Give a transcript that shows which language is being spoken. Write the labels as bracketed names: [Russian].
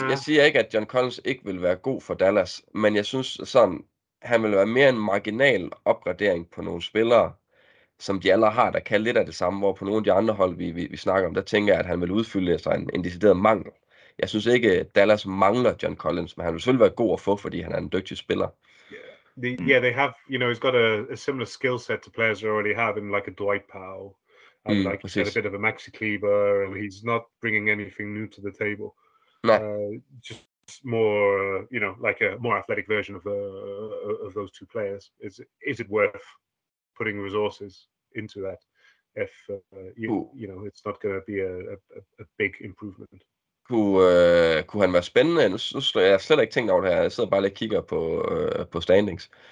[Danish] Jeg siger ikke, at John Collins ikke vil være god for Dallas, men jeg synes sådan, han vil være mere en marginal opgradering på nogle spillere, som de alle har, der kan lidt af det samme, hvor på nogle af de andre hold, vi snakker om, der tænker jeg, at han vil udfylde sig en decideret mangel. Jeg synes ikke, Dallas mangler John Collins, men han vil selvfølgelig være god at få, fordi han er en dygtig spiller. [English] They have, you know, he's got a similar skill set to players they already have in like a Dwight Powell. And he's got a bit of a Maxi Kleber, and he's not bringing anything new to the table. No. Just more, you know, like a more athletic version of those two players. Is it worth putting resources into that if you know it's not going to be a big improvement. [Danish] Kunne han være spændende? Nu har jeg slet ikke tænkt over det her. Jeg sidder bare lige og kigger på standings.